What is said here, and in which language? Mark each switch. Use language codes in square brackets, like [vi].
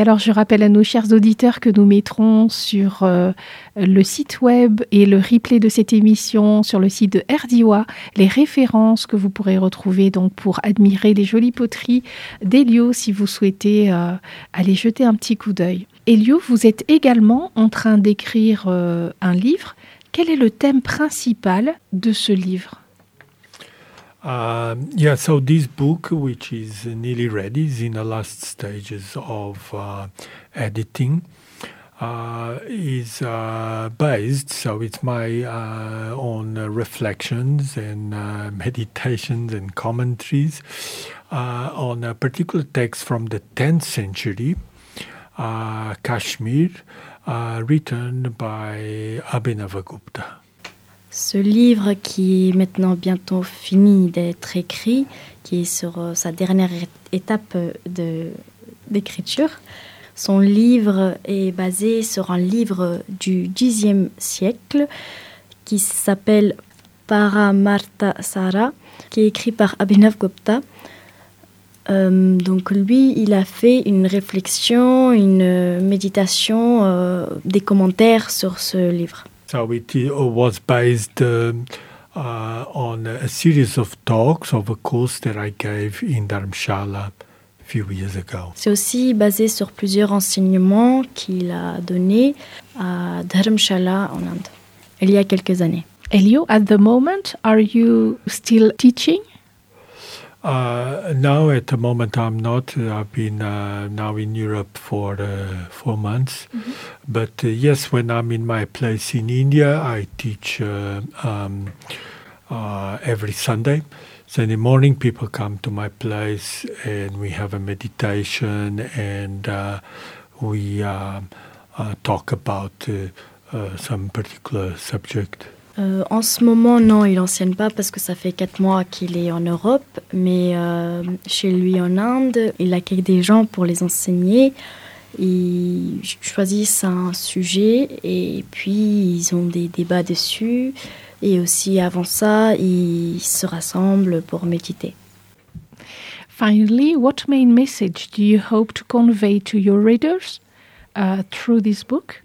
[fr] Alors, je rappelle à nos chers auditeurs que nous mettrons sur le site web et le replay de cette émission sur le site de RDIWA les références que vous pourrez retrouver donc pour admirer les jolies poteries d'Elio si vous souhaitez aller jeter un petit coup d'œil. Elio, vous êtes également en train d'écrire un livre. Quel est le thème principal de ce livre ? [en] So this book, which is nearly ready, is in the last stages of editing, is based, so it's my own reflections and meditations and commentaries on a particular text from the 10th century, Kashmir, written by Abhinavagupta. [fr] Ce livre qui est maintenant bientôt fini d'être écrit, qui est sur sa dernière étape d'écriture, son livre est basé sur un livre du Xe siècle qui s'appelle Paramartasara, qui est écrit par Abhinavagupta. Donc lui, il a fait une réflexion, une méditation, des commentaires sur ce livre. [en] So it was based on a series of talks of a course that I gave in Dharamshala a few years ago. [fr] C'est aussi basé sur plusieurs enseignements qu'il a donné à Dharamshala en Inde il y a quelques années. [en] Elio, at the moment, are you still teaching? No, at the moment I'm not. I've been now in Europe for 4 months. Mm-hmm. But yes, when I'm in my place in India, I teach every Sunday. So in the morning, people come to my place and we have a meditation and we talk about some particular subject? [fr] En ce moment, non, il enseigne pas parce que ça fait 4 mois qu'il est en Europe, mais chez lui en Inde, il accueille des gens pour les enseigner. Ils choisissent un sujet et puis ils ont des débats dessus. Et aussi avant ça, ils se rassemblent pour méditer. [en] Finally, what main message do you hope to convey to your readers through this book?